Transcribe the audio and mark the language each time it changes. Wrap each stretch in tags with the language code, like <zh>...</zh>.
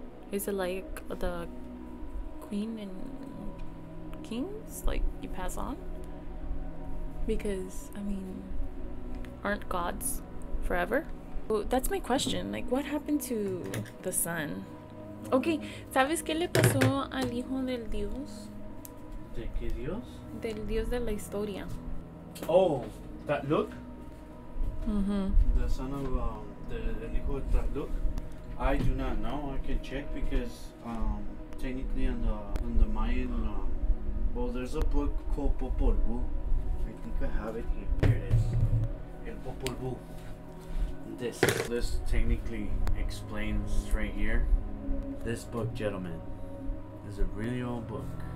<en>Is it like the queen and kings? Like, you pass on? Because, I mean, aren't gods forever? Well, that's my question. Like, what happened to the sun?</en> <es>Okay, ¿sabes qué le pasó al hijo del dios? ¿De qué dios? Del dios de la historia.</es> <en>Oh, that look? Mm-hmm. The son of the</en> <es>hijo de</es> <en>Tlaloc. I do not know. I can check because technically on the Mayan, there's a book called Popol Vuh. I think I have it here. Here it is. El Popol Vuh. This technically explains right here. This book, gentlemen, is a really old book.</en>